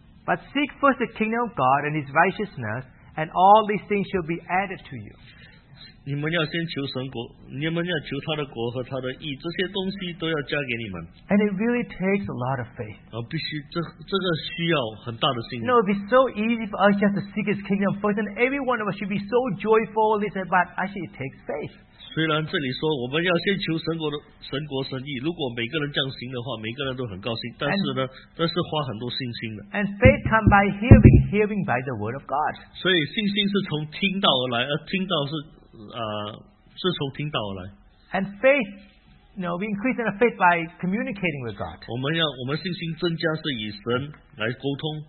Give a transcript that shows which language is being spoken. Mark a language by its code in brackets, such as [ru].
[en] But seek first the kingdom of God and His righteousness, and all these things shall be added to you. [zh] 你们要先求神国，你们要求他的国和他的义，这些东西都要加给你们。 [en] And it really takes a lot of faith. [zh] 必须这个需要很大的信心。 [en] No, it'd be so easy for us just to seek His kingdom first, and every one of us should be so joyful. But actually, it takes faith. [zh] 虽然这里说我们要先求神国的神国神义，如果每个人这样行的话，每个人都很高兴。但是呢，这是花很多信心的。 [en] And faith comes by hearing, hearing by the word of God. [zh] 所以信心是从听到而来，而听到是。 [en] And faith, you know, we increase in our faith by communicating with God. [zh] 我们信心增加是以神来沟通。